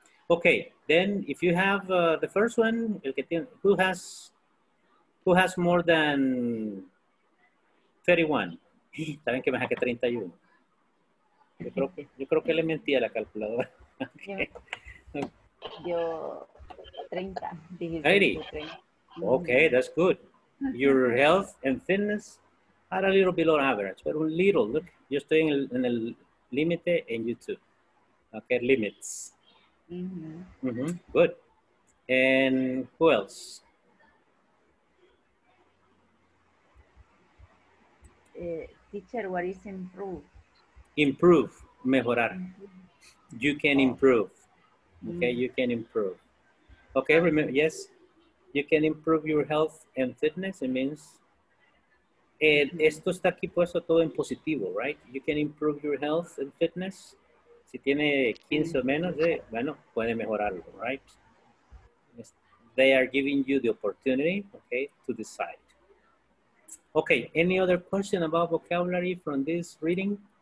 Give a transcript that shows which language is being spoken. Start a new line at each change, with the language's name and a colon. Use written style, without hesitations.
English: Okay, then if you have the first one,
Spanish: el que tiene,
English: who has more than 31?
Spanish: ¿Saben que más que 31? Yo creo que le mentí a la calculadora. Okay. Yo...
English: 30. 30. Okay, that's good. Your health and fitness are a little below average, but a little. Look, you're staying in the limit and you too. Okay, limits. Mm-hmm. Mm-hmm. Good. And who else? Teacher, what is improve? Improve, mejorar. Improve. You can improve. Okay, mm-hmm. You can improve. Okay, remember, yes, you can improve your health and fitness.
Spanish: It means, esto está aquí puesto todo en positivo, right?
English: You can improve your health and fitness.
Spanish: Si tiene 15 o menos, bueno, puede mejorarlo,
English: right? They are giving you the opportunity, okay, to decide. Okay, any other question about vocabulary from this reading?